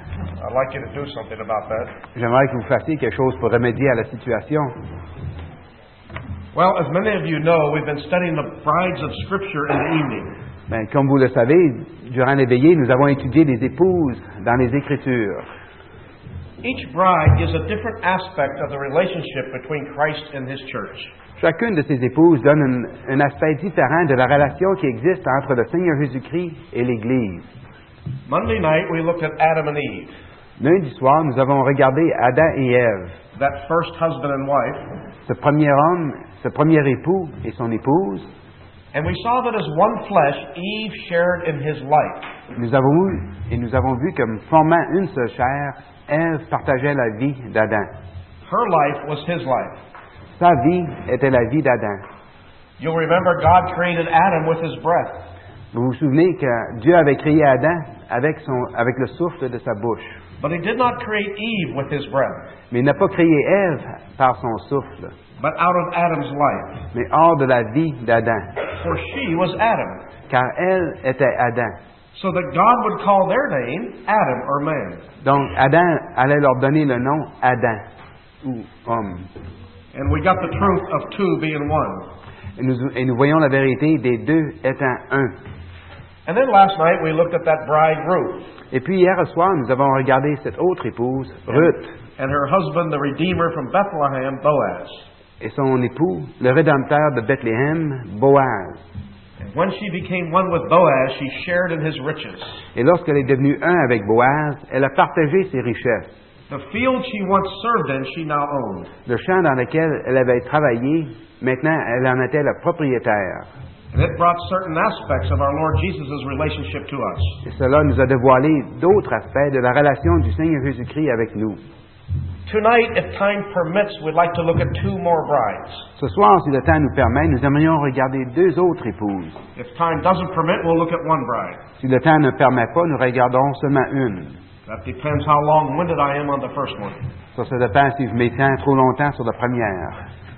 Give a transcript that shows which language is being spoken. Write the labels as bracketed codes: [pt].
[en] I'd like you to do something about that. [fr] J'aimerais que vous fassiez quelque chose pour remédier à la situation. [en] Well, as many of you know, we've been studying the brides of Scripture in the evening. [fr] Ben, comme vous le savez, durant les veillées, nous avons étudié les épouses dans les Écritures. [en] Each bride is a different aspect of the relationship between Christ and His church. [fr] Chacune de ces épouses donne un aspect différent de la relation qui existe entre le Seigneur Jésus-Christ et l'Église. [en] Monday night, we looked at Adam and Eve. [fr] Lundi soir, nous avons regardé Adam et Ève. [en] That first husband and wife. [fr] Ce premier homme, ce premier époux et son épouse. [en] And we saw that as one flesh, Eve shared in his life. [fr] Nous avons vu comme formant une seule chair, Ève partageait la vie d'Adam. [en] Her life was his life. [fr] Sa vie était la vie d'Adam. [en] You'll remember God created Adam with his breath. [fr] Vous vous souvenez que Dieu avait créé Adam avec avec le souffle de sa bouche. [en] But he did not create Eve with his breath. [fr] Mais il n'a pas créé Ève par son souffle. [en] But out of Adam's life. [fr] Mais hors de la vie d'Adam. [en] For she was Adam. [fr] Car elle était Adam. [en] So that God would call their name Adam or man. [fr] Donc Adam allait leur donner le nom Adam ou homme. [en] And we got the truth of two being one. [fr] Et nous voyons la vérité des deux étant un. [en] And then last night we looked at that bride Ruth. [fr] Et puis hier soir nous avons regardé cette autre épouse Ruth. [en] And her husband, the Redeemer from Bethlehem, Boaz. [fr] Et son époux, le Rédempteur de Bethléem, Boaz. [en] When she became one with Boaz, she shared in his riches. [fr] Et lorsqu'elle est devenue un avec Boaz, elle a partagé ses richesses. [en] The field she once served in, she now owned. [fr] Le champ dans lequel elle avait travaillé, maintenant elle en était la propriétaire. [en] And it brought certain aspects of our Lord Jesus's relationship to us. [fr] Et cela nous a dévoilé d'autres aspects de la relation du Seigneur Jésus-Christ avec nous. [en] Tonight, if time permits, we'd like to look at two more brides. [fr] Ce soir, si le temps nous permet, nous aimerions regarder deux autres épouses. [en] If time doesn't permit, we'll look at one bride. [fr] Si le temps ne permet pas, nous regarderons seulement une. [en] That depends how long-winded I am on the first one. [fr] Ça dépend si je m'étends trop longtemps sur la première.